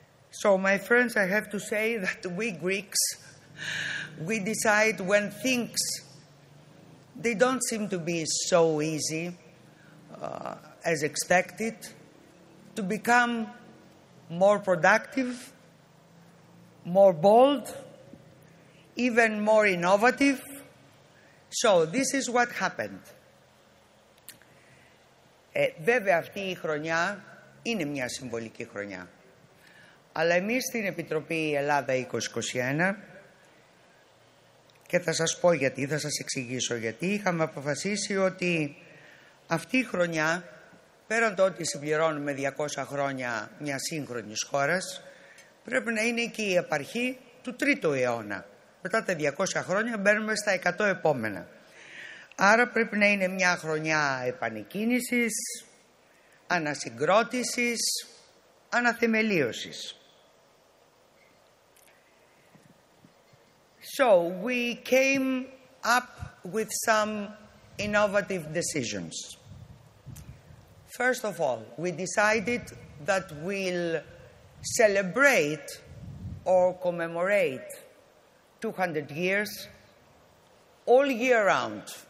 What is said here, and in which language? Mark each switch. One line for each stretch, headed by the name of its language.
English: So, my friends, I have to say that we Greeks, we decide when things, they don't seem to be so easy as expected, to become more productive, more bold, even more innovative. So, this is what happened.
Greek: Βέβαια, αυτή η χρονιά είναι μια συμβολική χρονιά. Αλλά εμείς στην Επιτροπή Ελλάδα 2021, και θα σας πω γιατί, θα σας εξηγήσω γιατί, είχαμε αποφασίσει ότι αυτή η χρονιά, πέραν το ότι συμπληρώνουμε 200 χρόνια μια σύγχρονης χώρας, πρέπει να είναι και η επαρχή του 3ου αιώνα. Μετά τα 200 χρόνια μπαίνουμε στα 100 επόμενα. Άρα πρέπει να είναι μια χρονιά επανεκκίνησης, ανασυγκρότησης, αναθεμελίωσης.
English: So we came up with some innovative decisions. First of all, we decided that we'll celebrate or commemorate 200 years all year round.